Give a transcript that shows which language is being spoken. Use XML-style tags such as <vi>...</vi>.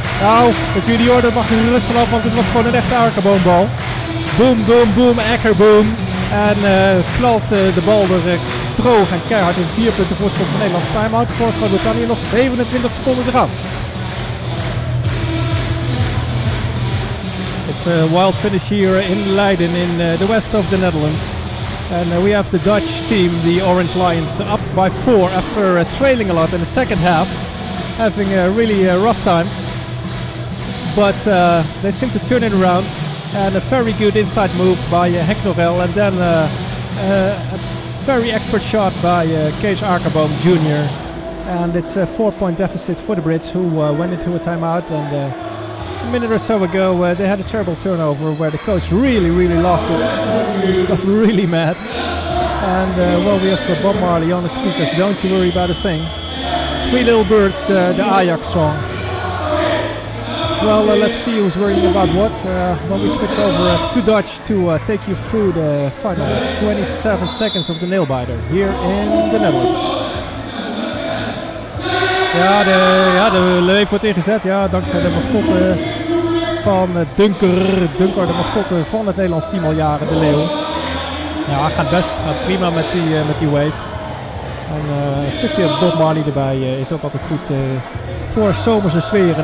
<nl>Nou, het junior, daar mag je niet rust van af, want het was gewoon een echte Akerboombal. Boom, boom, boom, Akerboom. En knalt de bal er droog en keihard in 4 punten voorsprong van Nederland. Timeout voor Groot-Brittannië nog 27 seconden te gaan.</nl> <en>It's a wild finish here in Leiden in the west of the Netherlands. And we have the Dutch team, the Orange Lions, up by 4 after trailing a lot in the second half. Having a really rough time. But they seem to turn it around. And a very good inside move by Henk Norel. And then a very expert shot by Kees Akerboom Jr. And it's a 4-point deficit for the Brits, who went into a timeout. And a minute or so ago, they had a terrible turnover where the coach really, really lost it. Got really mad. And well, we have Bob Marley on the speakers. Don't you worry about a thing. Three Little Birds, the Ajax song. Well, let's see who's worrying about what when we switch over to Dutch to take you through the final 27 seconds of the nail biter here in the Netherlands.</en> <nl>Ja, de leef wordt ingezet, ja, dankzij de mascotte van Dunker, de mascotte van het Nederlands team al jaren, de Leeuw. Ja, gaat best, gaat prima met die wave. En een stukje Bob Marley erbij is ook altijd goed voor zomerse sferen.</nl>